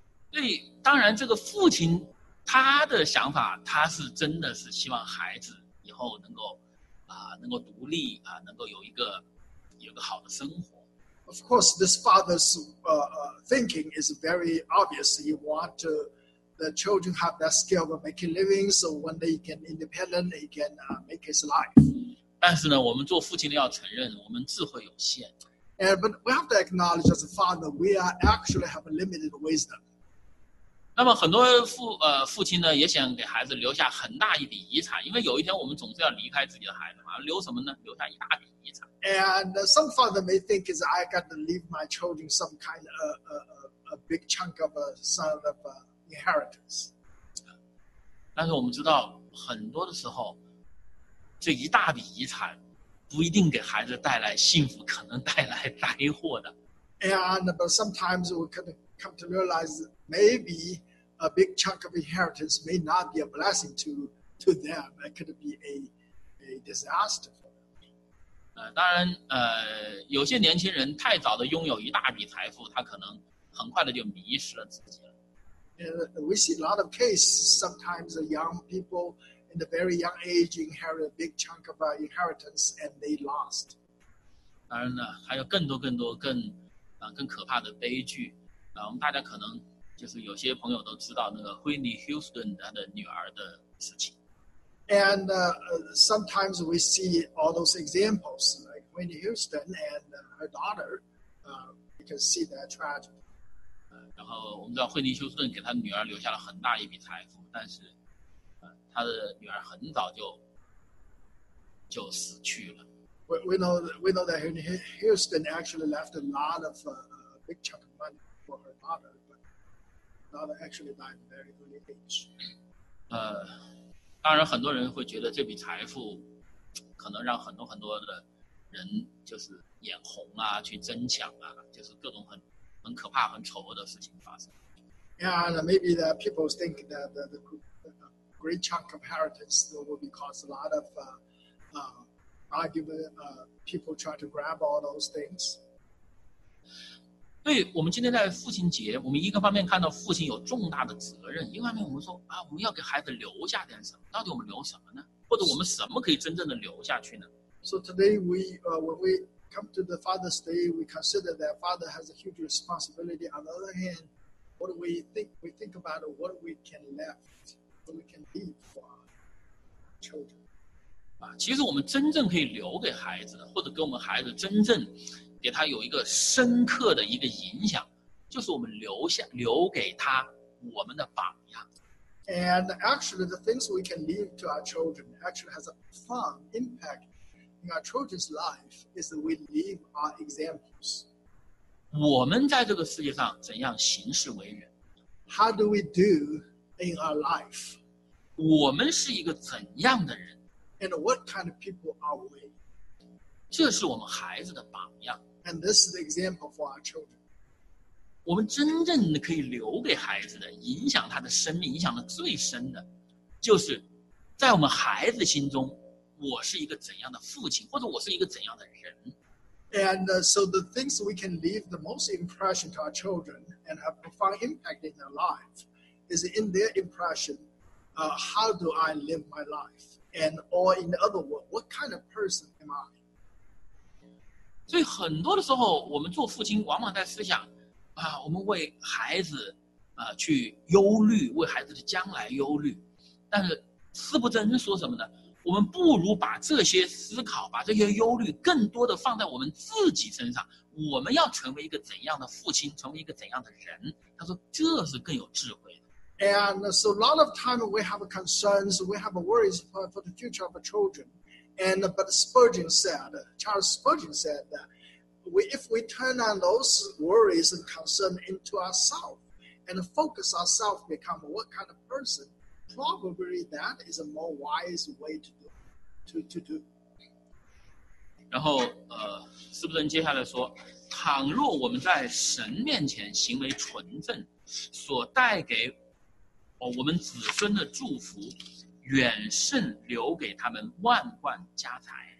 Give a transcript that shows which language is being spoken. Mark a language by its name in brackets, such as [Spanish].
[Chinese] 对，当然这个父亲他的想法，他是真的是希望孩子以后能够独立啊，能够有一个好的生活。 [English] Of course, this father's thinking is very obvious. He wants to. The children have that skill of making living, so one day he can independent, he can make his life. [Chinese] 但是呢，我们做父亲的要承认，我们智慧有限。 [English] And but we have to acknowledge as a father, we are actually have a limited wisdom. [Chinese] 那么很多父亲呢，也想给孩子留下很大一笔遗产，因为有一天我们总是要离开自己的孩子嘛，留什么呢？留下一大笔遗产。 [English] And some father may think is I got to leave my children some kind of a big chunk of a son of a. Inheritance. [Chinese] 但是我们知道，很多的时候，这一大笔遗产不一定给孩子带来幸福，可能带来灾祸的。 [English] And but sometimes we could come to realize maybe a big chunk of inheritance may not be a blessing to them. It could be a disaster for them. [Chinese] 当然，有些年轻人太早的拥有一大笔财富，他可能很快的就迷失了自己。 [English] We see a lot of cases. Sometimes the young people in the very young age inherit a big chunk of our inheritance, and they lost. [Chinese] 当然呢，还有更多更多更可怕的悲剧。我们大家可能就是有些朋友都知道那个惠妮休斯顿她的女儿的事情。 [English] And sometimes we see all those examples, like Whitney Houston and her daughter. We can see that tragedy. [Chinese] 然后我们知道惠妮休斯顿给他女儿留下了很大一笔财富，但是他的女儿很早就死去了。 [English] We know that Whitney Houston actually left a lot of big chunk of money for her daughter, but daughter actually died at a very early age. [Chinese] 当然很多人会觉得这笔财富可能让很多很多的人就是眼红啊，去争抢啊，就是各种很可怕很丑恶的事情发生。 [English] Yeah, maybe the people think that the great chunk of inheritance will be cause a lot of argument, people try to grab all those things. [Chinese] 对，我们今天在父亲节，我们一个方面看到父亲有重大的责任，一个方面我们说啊，我们要给孩子留下点什么，到底我们留什么呢？或者我们什么可以真正的留下去呢？ [English] So today when we come to the Father's Day, we consider that Father has a huge responsibility. On the other hand, what do we think about what we can left, what we can leave for our children. [Chinese] 啊，其实我们真正可以留给孩子的，或者给我们孩子真正给他有一个深刻的一个影响，就是我们留给他我们的榜样。 [English] And actually, the things we can leave to our children actually has a profound impact in our children's life is that we leave our examples. [Chinese] 我们在这个世界上怎样行事为人？ [English] How do we do in our life? [Chinese] 我们是一个怎样的人？ [English] And what kind of people are we? [Chinese] 这是我们孩子的榜样。 [English] And this is the example for our children. [Chinese] 我们真正可以留给孩子的，影响他的生命，影响的最深的，就是在我们孩子心中，我是一个怎样的父亲，或者我是一个怎样的人。 [English] And so the things we can leave the most impression to our children and have profound impact in their life is in their impression, how do I live my life? And or in the other word, what kind of person am I? [Chinese] 所以很多的时候我们做父亲往往在思想啊，我们为孩子去忧虑，为孩子的将来忧虑，但是斯布真说什么呢？我们不如把这些思考，把这些忧虑更多的放在我们自己身上，我们要成为一个怎样的父亲，成为一个怎样的人，他说这是更有智慧的。 [English] And so a lot of time we have concerns, we have worries for the future of our childrenBut Spurgeon said, Charles Spurgeon said that if we turn on those worries and concerns into ourselves and focus ourselves become what kind of person, probably that is a more wise way to do. [Chinese] 然后斯布顿接下来说，倘若我们在神面前行为纯正，所带给我们子孙的祝福远胜留给他们万贯家财。